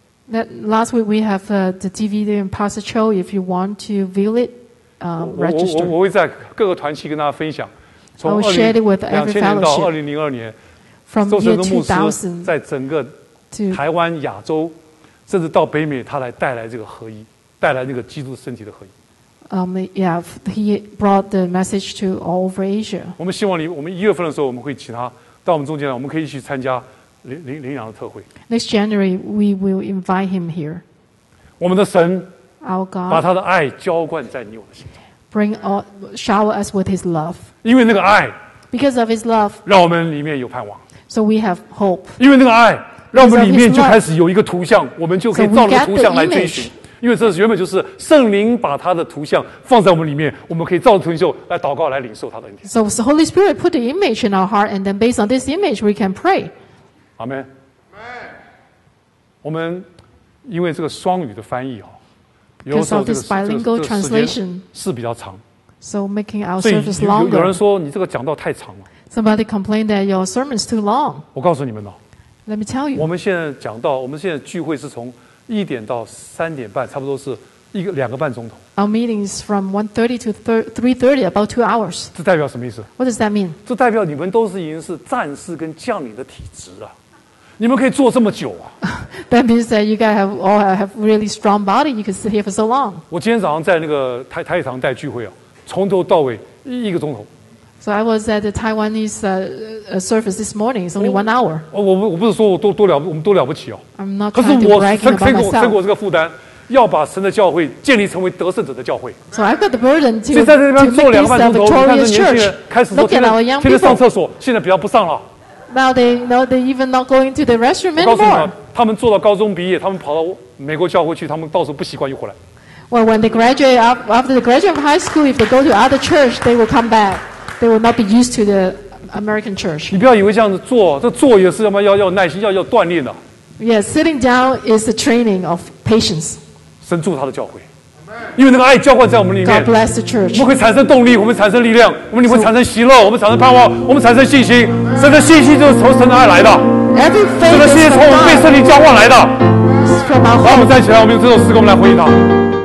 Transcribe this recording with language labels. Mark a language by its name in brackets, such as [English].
[English] That last week we have the DVD and Pastor Cho. If you want to view it, register. [Chinese] 我会在各个团契跟大家分享。 [English] I will share it with every fellowship. [Chinese] 2000年到2002年， [English] from [Chinese] 周成柱牧师在整个台湾、亚洲。甚至到北美，他来带来这个合一，带来那个基督身体的合一。 [English] Yeah, he brought the message to all over Asia. [Chinese] 我们希望你，我们一月份的时候，我们会请他到我们中间来，我们可以一起参加灵粮的特会。 [English] Next January, we will invite him here. [Chinese] 我们的神 [English] ，Our God， [Chinese] 把他的爱浇灌在你我的心中。 [English] Bring all, shower us with His love. [Chinese] 因为那个爱 [English] ，Because of His love， [Chinese] 让我们里面有盼望。 [English] So we have hope. [Chinese] 因为那个爱。让我们里面就开始有一个图像，我们就可以照着图像来追寻，因为这原本就是圣灵把他的图像放在我们里面，我们可以照着图像来祷告，来领受他的恩典。 [English] So the Holy Spirit put the image in our heart, and then based on this image, we can pray. Amen. [Chinese] 我们因为这个双语的翻译哦，有时候这个时间是比较长。 [English] So making our service longer. [Chinese] 有人说你这个讲道太长了。 [English] Somebody complained that your sermon's too long. [Chinese] 我告诉你们哦。 [English] Let me tell you. [Chinese] 我们现在讲到，我们现在聚会是从一点到三点半，差不多是两个半钟头。 [English] Our meeting is from 1:30 to 3:30, about 2 hours. [Chinese] 这代表什么意思？ [English] What does that mean? [Chinese] 这代表你们都是已经是战士跟将领的体质啊，你们可以坐这么久啊。 [English] That means that you guys have really strong body. You can sit here for so long. [Chinese] 我今天早上在那个台长带聚会啊，从头到尾一个钟头。 [English] So I was at the Taiwanese service this morning. It's only 1 hour. [Chinese] 我不是说我们多了不起哦。 [English] I'm not trying to brag about myself. [Chinese] 我这个负担，要把神的教会建立成为得胜者的教会。 [English] So I've got the burden to make this a victorious church. Look at our young people. [Chinese] 天天上厕所，现在不要不上了。 [English] Now they even not going to the restroom anymore. [Chinese] 我告诉你们，他们做到高中毕业，他们跑到美国教会去，他们到时候不习惯又回来。 [English] Well, when they graduate after the graduation of high school, if they go to other church, they will come back. They will not be used to the American church. [Chinese] 你不要以为这样子做，这坐也是要耐心，要锻炼的。 [English] Yes, sitting down is the training of patience. [Chinese] 神祝他的教会，因为那个爱浇灌在我们里面。 [English] God bless the church. [Chinese] 我们会产生动力，我们产生力量，我们里面产生喜乐，我们产生盼望，我们产生信心。神的信心就是从神的爱来的。 [English] Every faith is from God. [Chinese] 神的信心从我们被圣灵浇灌来的。 [English] It's from our heart. [Chinese] 让我们站起来，我们用这首诗歌，我们来回应他。